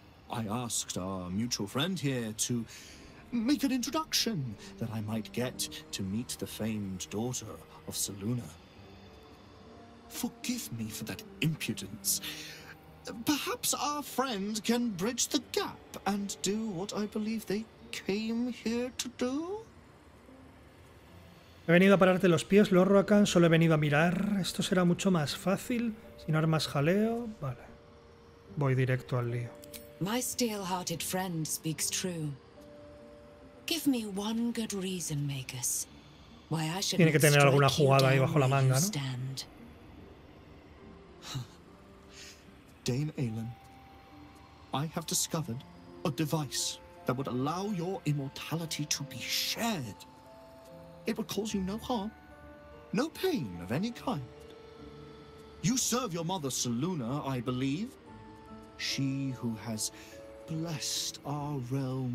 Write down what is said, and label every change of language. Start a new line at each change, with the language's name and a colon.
English: I asked our mutual friend here to make an introduction that I might get to meet the famed daughter of Saluna. Forgive me for that impudence. Perhaps our friend can bridge the gap and do what I believe they came here to do?
Spanish: He venido a pararte los pies, Lorroacan. Solo he venido a mirar. Esto será mucho más fácil, sin armas jaleo. Vale. Voy directo al lío.
English: My steel-hearted friend speaks true. Give me one good reason, Magus. Why I should.
Spanish: Tiene que tener alguna jugada ahí bajo la manga, ¿no?
English: Dame Aelin, I have discovered a device that would allow your immortality to be shared. It would cause you no harm, no pain of any kind. You serve your mother, Saluna, I believe. She who has blessed our realm.